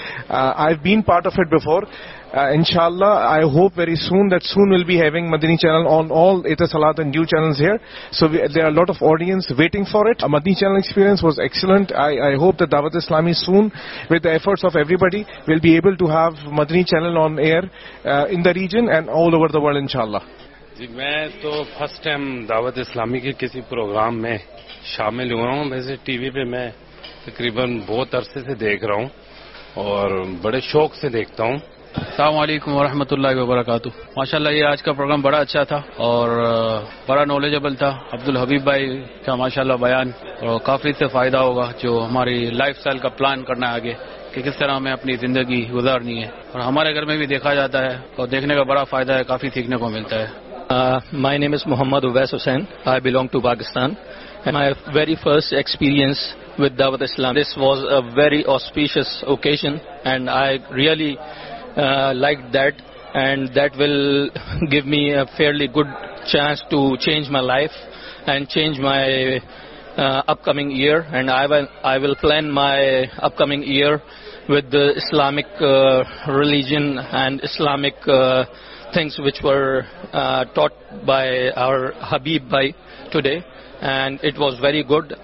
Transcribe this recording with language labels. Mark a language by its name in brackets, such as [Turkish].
[English] I've been part of it before. Inshallah, I hope very soon that soon we'll be having Madni Channel on all Ita Salat and new channels here. So there are a lot of audience waiting for it. Madni Channel experience was excellent. I hope that Dawat Islami soon, with the efforts of everybody, will be able to have Madni Channel on air in the region and all over the world, inshallah. [Urdu] جی، میں تو first time دعوت اسلامی کے کسی programme میں شامل ہوا ہوں. ویسے ٹی وی پہ میں تقریباً بہت عرصے سے دیکھ رہا ہوں اور بڑے شوق سے دیکھتا ہوں. السلام علیکم ورحمۃ اللہ وبرکاتہ. ماشاءاللہ یہ آج کا پروگرام بڑا اچھا تھا اور بڑا نالجبل تھا. عبدالحبیب بھائی کا ماشاءاللہ بیان، اور کافی سے فائدہ ہوگا جو ہماری لائف سٹائل کا پلان کرنا ہے آگے، کہ کس طرح ہمیں اپنی زندگی گزارنی ہے. اور ہمارے گھر میں بھی دیکھا جاتا ہے، اور دیکھنے کا بڑا فائدہ ہے، کافی سیکھنے کو ملتا ہے. [English] My name is Muhammad Uwais Hussain. I belong to Pakistan. And my very first experience with Dawat Islam, this was a very auspicious occasion, and I really liked that, and that will give me a fairly good chance to change my life and change my upcoming year, and I will plan my upcoming year with the Islamic religion and Islamic things which were taught by our Habib bhai today, and it was very good.